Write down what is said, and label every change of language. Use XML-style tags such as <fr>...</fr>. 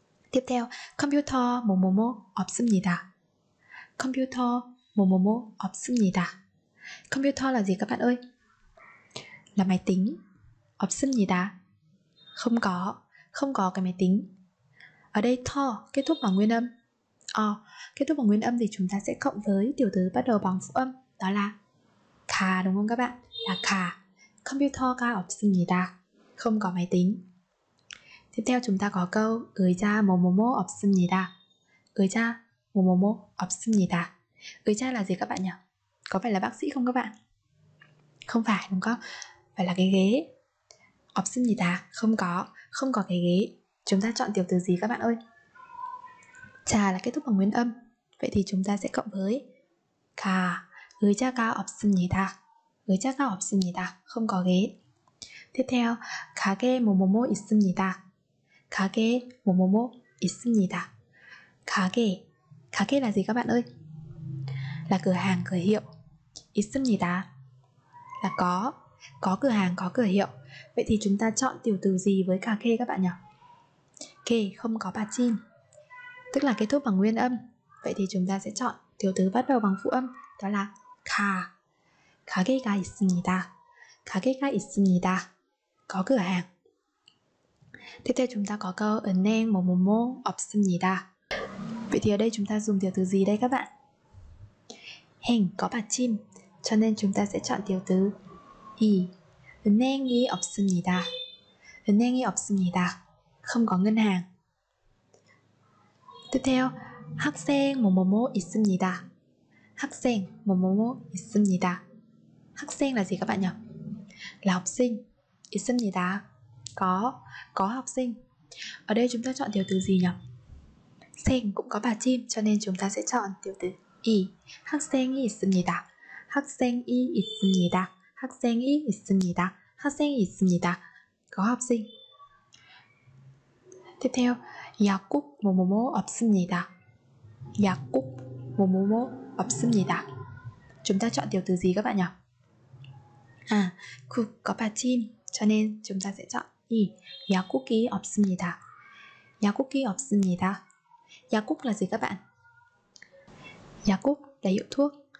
<ko>Tiếp theo, 컴퓨터 뭐뭐뭐 없습니다. 컴퓨터 뭐뭐뭐 없습니다.</ko> <vi>Computer là gì các bạn ơi? Là máy tính. 없습니다. Không có. Không có cái máy tính. Ở đây 터 kết thúc bằng nguyên âm. Kết thúc bằng nguyên âm thì chúng ta sẽ cộng với tiểu từ bắt đầu bằng phụ âm, đó là 가, đúng không các bạn? Là 가.</vi> <ko>Computer 가 없습니다.</ko> <vi>Không có máy tính. Tiếp theo chúng ta có câu 의자 뭐뭐뭐 없습니다.</vi> <ko>의자 뭐뭐뭐 없습니다.</ko> <vi>의자 là gì các bạn nhỉ? Có phải là bác sĩ không các bạn? Không phải, đúng không? Phải là cái ghế. 없습니다. Không có. Không có cái ghế. Chúng ta chọn tiểu từ gì các bạn ơi? 자 là kết thúc bằng nguyên âm. Vậy thì chúng ta sẽ cộng với 가.</vi> <ko>의자가 없습니다. 의자가 없습니다.</ko> <vi>Không có ghế. Tiếp theo</vi> <ko>가게 뭐뭐뭐 있습니다. 가게 뭐뭐뭐 있습니다. 가게.</ko> <vi>가게 là gì các bạn ơi? Là cửa hàng, cửa hiệu. 있습니다 là có. Có cửa hàng, có cửa hiệu. Vậy thì chúng ta chọn tiểu từ gì với 가게 các bạn nhỉ? 게 không có 받침. Tức là kết thúc bằng nguyên âm. Vậy thì chúng ta sẽ chọn tiểu từ bắt đầu bằng phụ âm, đó là 가.</vi> <ko>가게가 있습니다. 가게가 있습니다.</ko> <vi>Có cửa hàng. Tiếp theo chúng ta có câu 은행 뭐뭐뭐 없습니다. Vậy thì ở đây chúng ta dùng tiểu từ gì đây các bạn? 행 có 받침. Cho nên chúng ta sẽ chọn tiểu từ 이.</vi> <ko>은행이 없습니다. 은행이 없습니다.</ko> <vi>Không có ngân hàng. Tiếp theo</vi> <ko>학생 뭐뭐뭐 있습니다. 학생 뭐뭐뭐 있습니다.</ko> <vi>학생 là gì các bạn nhỉ? Là học sinh. 있습니다. Có học sinh. Ở đây chúng ta chọn tiểu từ gì nhỉ? 생 cũng có 받침, cho nên chúng ta sẽ chọn tiểu từ 이.</vi> <ko>학생이 있습니다. 학생이 있습니다. 학생이 있습니다. 학생이 있습니다.</ko> <vi>Có học sinh. Tiếp theo</vi> <ko>약국 뭐뭐뭐 없습니다. 약국 뭐뭐뭐 없습니다.</ko> <vi>Chúng ta chọn tiểu từ gì các bạn nhỉ? 아, 국 có 받침, cho nên chúng ta sẽ chọn 이.</vi> <ko>약국이 없습니다. 약국이 없습니다.</ko> <vi>약국 là gì các bạn? 약국 là hiệu thuốc.</vi>